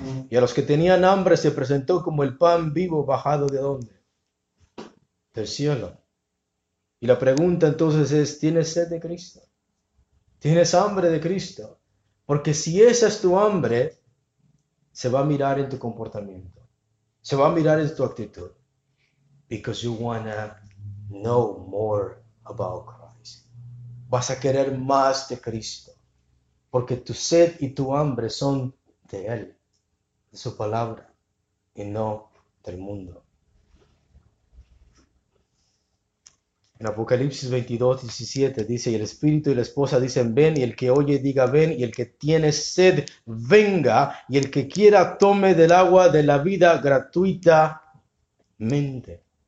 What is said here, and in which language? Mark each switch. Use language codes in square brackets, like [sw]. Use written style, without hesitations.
[es] Y a los que tenían hambre se presentó como el pan vivo bajado de dónde. Del cielo. Y la pregunta entonces es, ¿tienes sed de Cristo? ¿Tienes hambre de Cristo? Porque si esa es tu hambre, se va a mirar en tu comportamiento. Se va a mirar en tu actitud. [en] Because you wanna know more about Christ. [es] Vas a querer más de Cristo, porque tu sed y tu hambre son de Él, de su palabra, y no del mundo. En Apocalipsis 22, 17 dice, y el espíritu y la esposa dicen, ven, y el que oye diga, ven, y el que tiene sed, venga, y el que quiera, tome del agua de la vida gratuitamente.